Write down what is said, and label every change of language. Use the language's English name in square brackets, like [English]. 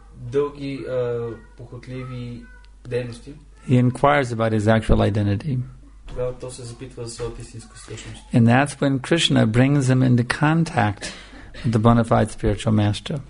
[Bulgarian] дълги похотливи дейности. [English] He inquires about his actual identity. [Bulgarian] Тогава то се запитва за своята истинска същност. [English] And that's when Krishna brings him into contact with the bona fide spiritual master.